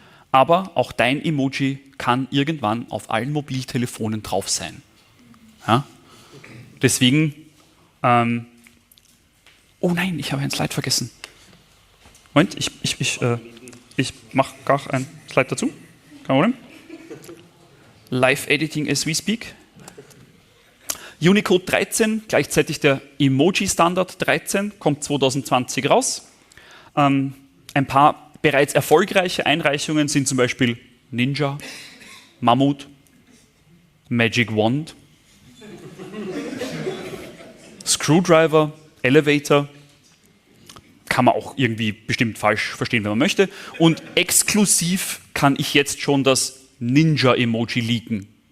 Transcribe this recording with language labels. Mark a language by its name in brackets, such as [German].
[German] Aber auch dein Emoji kann irgendwann auf allen Mobiltelefonen drauf sein. Ja? Deswegen, oh nein, ich habe ein Slide vergessen. Moment, ich mache gar ein Slide dazu. Kein Problem. [English] Live editing as we speak. [German] Unicode 13, gleichzeitig der Emoji-Standard 13, kommt 2020 raus. Ein paar bereits erfolgreiche Einreichungen sind zum Beispiel Ninja, Mammut, Magic Wand, Screwdriver, Elevator, kann man auch irgendwie bestimmt falsch verstehen, wenn man möchte, und exklusiv kann ich jetzt schon das Ninja-Emoji leaken.